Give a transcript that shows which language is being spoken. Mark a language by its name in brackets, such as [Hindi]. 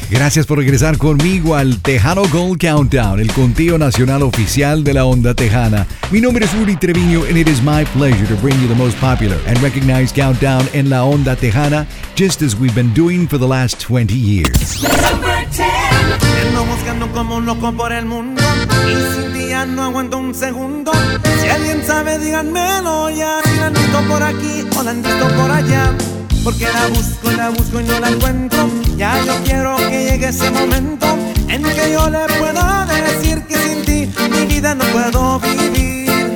[Spanish] Gracias por regresar conmigo al Tejano Gold Countdown, el conteo nacional oficial de la onda tejana. Mi nombre es Uri Treviño [English] and it is my pleasure to bring you the most popular and recognized countdown [Spanish] en la onda tejana, [English] just as we've been doing for the last 20 years. [Spanish] Como un loco por el mundo y sin ti ya no aguanto un segundo. Si alguien sabe, díganmelo ya. Si la necesito por aquí o la necesito por allá, porque la busco y no la encuentro. Ya yo quiero que llegue ese momento en que yo le pueda decir que sin ti mi vida no puedo vivir.